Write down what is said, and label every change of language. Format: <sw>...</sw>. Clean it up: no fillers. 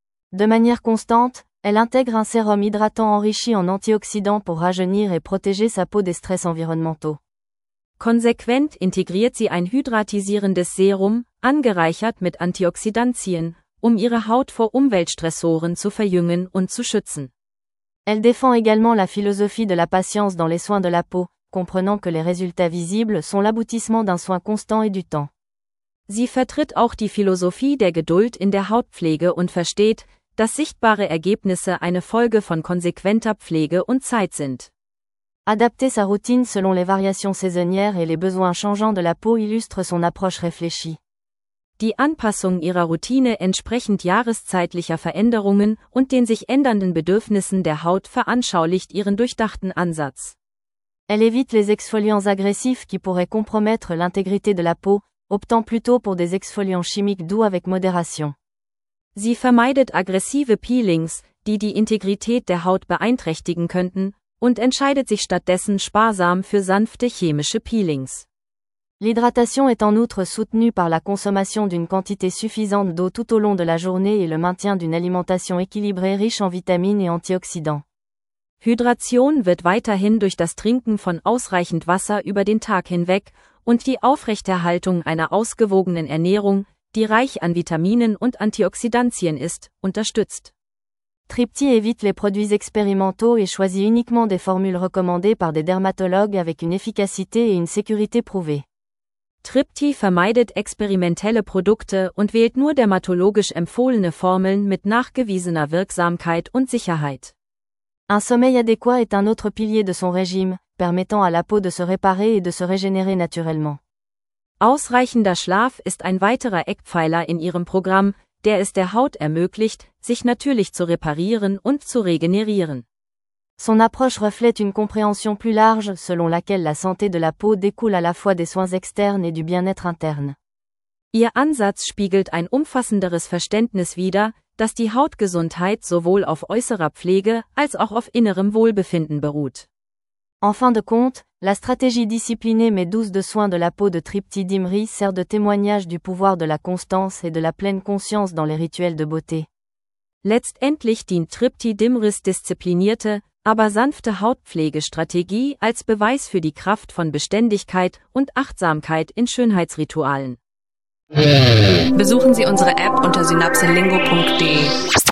<fr>De manière constante, elle intègre un sérum hydratant enrichi en antioxydants pour rajeunir et protéger sa peau des stress environnementaux.</fr> <de>Konsequent integriert sie ein hydratisierendes Serum, angereichert mit Antioxidantien, um ihre Haut vor Umweltstressoren zu verjüngen und zu schützen.</de> <fr>Elle défend également la philosophie de la patience dans les soins de la peau, comprenant que les résultats visibles sont l'aboutissement d'un soin constant et du temps.</fr> <de>Sie vertritt auch die Philosophie der Geduld in der Hautpflege und versteht, dass sichtbare Ergebnisse eine Folge von konsequenter Pflege und Zeit sind.</de> <fr>Adapter sa routine selon les variations saisonnières et les besoins changeants de la peau illustre son approche réfléchie.</fr> <de>Die Anpassung ihrer Routine entsprechend jahreszeitlicher Veränderungen und den sich ändernden Bedürfnissen der Haut veranschaulicht ihren durchdachten Ansatz.</de> <fr>Elle évite les exfoliants agressifs qui pourraient compromettre l'intégrité de la peau, optant plutôt pour des exfoliants chimiques doux avec modération.</fr> <de>Sie vermeidet aggressive Peelings, die die Integrität der Haut beeinträchtigen könnten, und entscheidet sich stattdessen sparsam für sanfte chemische Peelings.</de> <fr>L'hydratation est en outre soutenue par la consommation d'une quantité suffisante d'eau tout au long de la journée et le maintien d'une alimentation équilibrée riche en vitamines et antioxydants.</fr> <de>Hydration wird weiterhin durch das Trinken von ausreichend Wasser über den Tag hinweg und die Aufrechterhaltung einer ausgewogenen Ernährung, die reich an Vitaminen und Antioxidantien ist, unterstützt.</de> <fr>Tripty évite les produits expérimentaux et choisit uniquement des formules recommandées par des dermatologues avec une efficacité et une sécurité prouvées.</fr> <de>Tripty vermeidet experimentelle Produkte und wählt nur dermatologisch empfohlene Formeln mit nachgewiesener Wirksamkeit und Sicherheit.</de> <fr>Un sommeil adéquat est un autre pilier de son régime, permettant à la peau de se réparer et de se régénérer naturellement.</fr> <de>Ausreichender Schlaf ist ein weiterer Eckpfeiler in ihrem Programm, der es der Haut ermöglicht, sich natürlich zu reparieren und zu regenerieren.</de> <fr>Son approche reflète une compréhension plus large, selon laquelle la santé de la peau découle à la fois des soins externes et du bien-être interne.</fr> <de>Ihr Ansatz spiegelt ein umfassenderes Verständnis wider, dass die Hautgesundheit sowohl auf äußerer Pflege als auch auf innerem Wohlbefinden beruht.</de> <fr>En fin de compte, la stratégie disciplinée mais douce de soins de la peau de Tripty Dimri sert de témoignage du pouvoir de la constance et de la pleine conscience dans les rituels de beauté.</fr> <de>Letztendlich dient Tripty Dimris disziplinierte, aber sanfte Hautpflegestrategie als Beweis für die Kraft von Beständigkeit und Achtsamkeit in Schönheitsritualen. Besuchen Sie unsere App unter synapselingo.de.</de>